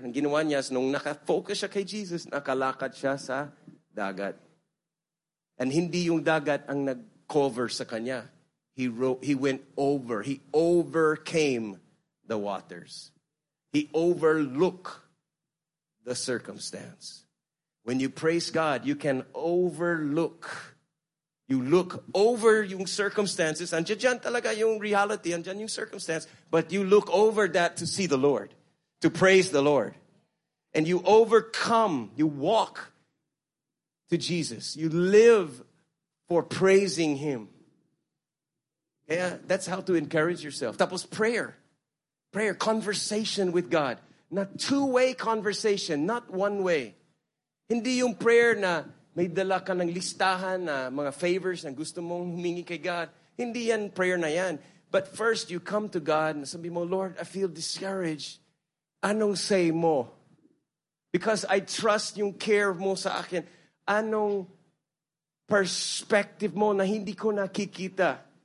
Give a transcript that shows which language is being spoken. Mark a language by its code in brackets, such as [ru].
[tl] Ang ginawa niya is nung naka-focus siya kay Jesus, nakalakad siya sa dagat. And hindi yung dagat ang nag-cover sa kanya. [en] He overcame the waters. He overlooked the circumstance. When you praise God, you can overlook. You look over yung circumstances. [tl] Andiyan talaga yung reality. Andiyan yung circumstance. [en] But you look over that to see the Lord. To praise the Lord. And you overcome. You walk to Jesus. You live for praising Him. Yeah, that's how to encourage yourself. Tapos prayer. Prayer, conversation with God. Na two-way conversation, not one way. [tl] Hindi yung prayer na may dala ka ng listahan na mga favors na gusto mong humingi kay God. Hindi yan prayer na yan. [en] But first, you come to God and [tl] sabi mo, [en] Lord, I feel discouraged. [tl] Anong say mo? [en] Because I trust [tl] yung care mo sa akin. Anong perspective mo na hindi ko nakikita?